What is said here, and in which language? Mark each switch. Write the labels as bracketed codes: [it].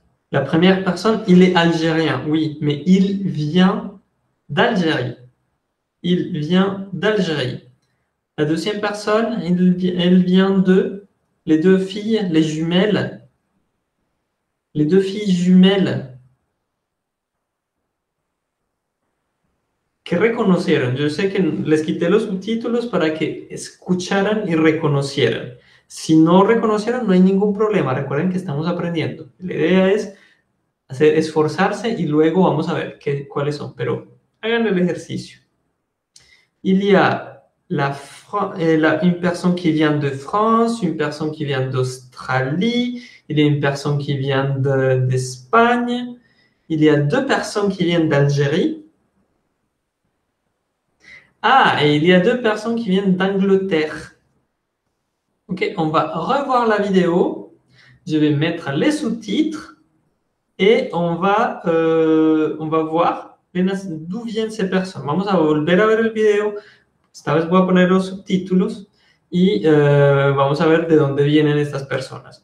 [fr] La première personne, il est algérien, oui, mais il vient d'Algérie. Il vient d'Algérie. La deuxième personne, elle vient de. Les deux filles, les jumelles. Les deux filles jumelles. [es] Que reconocieron. Yo sé que les quité los subtítulos para que escucharan y reconocieran. Si no reconocieron, no hay ningún problema. Recuerden que estamos aprendiendo. La idea es hacer esforzarse y luego vamos a ver cuáles son. Pero hagan el ejercicio. [fr] Il y a une personne qui vient de France, une personne qui vient d'Australie, il y a une personne qui vient d'Espagne, il y a deux personnes qui viennent d'Algérie. Ah, et il y a deux personnes qui viennent d'Angleterre. Ok, on va revoir la vidéo. Je vais mettre les sous-titres et on va voir d'où viennent ces personnes. [es] Vamos a volver a ver el video. Esta vez voy a poner los subtítulos y vamos a ver de dónde vienen estas personas.